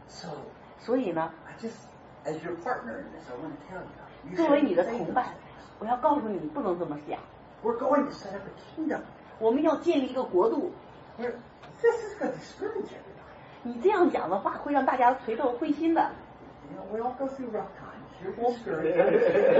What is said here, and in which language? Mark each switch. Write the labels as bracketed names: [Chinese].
[English] So. [Chinese] 所以呢 [English] ？I just as your partner in this, I want to tell you. [Chinese] 作为你的同伴，我要告诉你，不能这么想。 [English] We're going to set up a kingdom. [Chinese] 我们要建立一个国度。 [English] This is going to discourage everybody. [Chinese] 你这样讲的话会让大家垂头灰心的。 [English] We all go through rough times. You're discouraged.